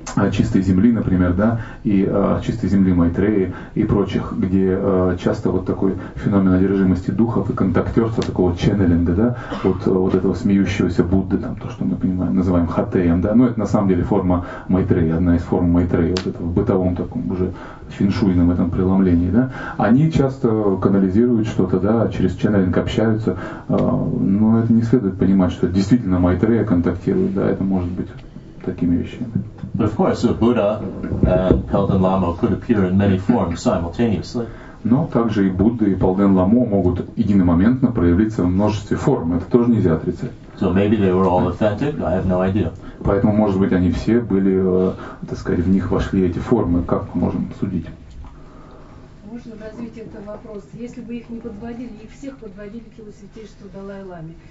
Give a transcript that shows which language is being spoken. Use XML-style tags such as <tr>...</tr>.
<ru>чистой земли, например, да, и чистой земли Майтреи и прочих, где часто вот такой феномен одержимости духов и контактерства, такого ченнелинга, да, вот этого смеющегося Будды, там, то, что мы понимаем, называем хатеем, да, ну, это на самом деле форма Майтреи, одна из форм Майтреи, вот этого в бытовом таком уже феншуйном этом преломлении, да, они часто канализируют что-то, да, через ченнелинг общаются, но это не следует понимать, что действительно Майтрея контактирует, да, это может быть такими вещами.</ru> <en>But of course, a Buddha and Pelden Lama could appear in many forms simultaneously.</en> <ru>Но также и Будда и Пелден Ламо могут единомоментно проявиться в множестве форм. Это тоже нельзя отрицать.</ru> <en>So maybe they were all authentic. I have no idea.</en> <ru>Поэтому, может быть, они все были, так сказать, в них вошли эти формы. Как мы можем судить? Можно развить этот вопрос. Если бы их не подводили, их всех подводили к его святейшеству Далай Ламе.</ru>